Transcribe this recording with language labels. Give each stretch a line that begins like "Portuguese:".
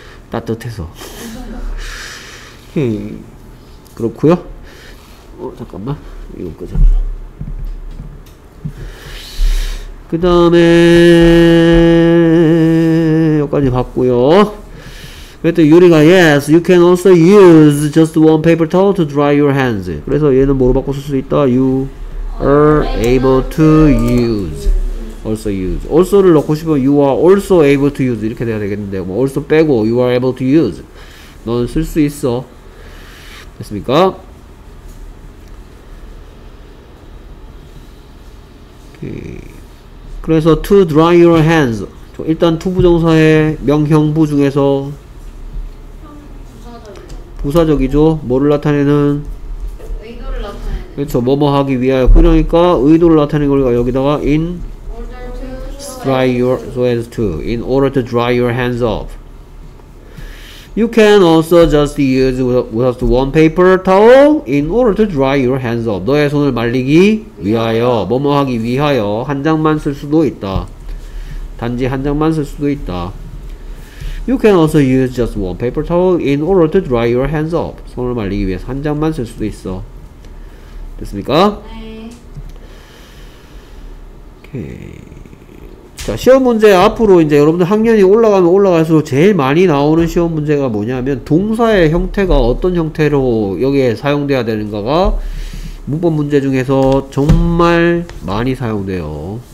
Korean: 따뜻해서. 오케이. 그렇구요. 잠깐만. 이거 꺼져. 그 다음에, 여기까지 봤구요. 그랬더니 유리가,
English: yes, you can also use just one paper towel to dry your hands.
Korean: 그래서 얘는 뭐로 바꿔 쓸 수 있다?
English: You are able to use. also use.
Korean: also를 넣고 싶으면
English: you are also able to use
Korean: 이렇게 돼야 되겠는데 뭐 also 빼고
English: you are able to use
Korean: 넌 쓸 수 있어 됐습니까? 오케이. 그래서
English: to dry your hands
Korean: 일단 to 부정사의 명형부 중에서 부사적이죠. 뭐를 나타내는 의도를 나타내는 그렇죠. 뭐뭐 하기 위하여 그러니까 의도를 나타내는 거니까 여기다가 in dry your so as to
English: in order to dry your hands off. You can also just use without one paper towel in order to dry your hands off.
Korean: 너의 손을 말리기 위하여 뭐뭐 하기 위하여 한 장만 쓸 수도 있다. 단지 한 장만 쓸 수도 있다.
English: You can also use just one paper towel in order to dry your hands off.
Korean: 손을 말리기 위해서 한 장만 쓸 수도 있어. 됐습니까? 네. 오케이. 자, 시험 문제 앞으로 이제 여러분들 학년이 올라가면 올라갈수록 제일 많이 나오는 시험 문제가 뭐냐면 동사의 형태가 어떤 형태로 여기에 사용돼야 되는가가 문법 문제 중에서 정말 많이 사용돼요.